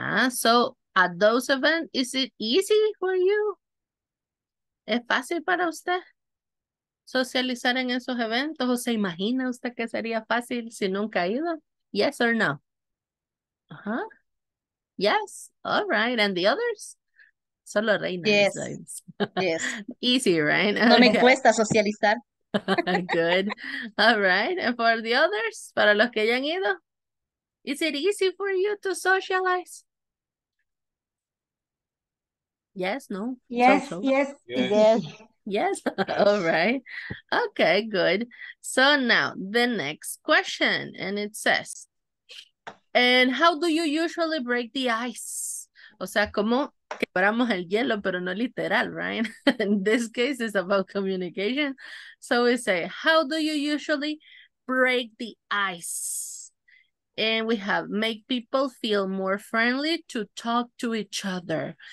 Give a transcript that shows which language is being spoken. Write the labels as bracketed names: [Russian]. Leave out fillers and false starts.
[English] So at those events, is it easy for you? [Spanish] ¿Es fácil para usted socializar en esos eventos? ¿O se imagina usted que sería fácil si nunca ha ido? [English] Yes or no? Yes. All right. And the others? [Spanish] Solo Reina. [English] Yes. Yes. Easy, right? [Spanish] No me cuesta socializar. [English] Good. All right. And for the others, [Spanish] para los que hayan ido, [English] is it easy for you to socialize? Yes, no? Yes. All right. Okay, good. So now the next question, and it says, and how do you usually break the ice? [Spanish] O sea, ¿cómo quebramos el hielo, pero no literal, right? [English] In this case, it's about communication. So we say, how do you usually break the ice? And we have make people feel more friendly to talk to each other.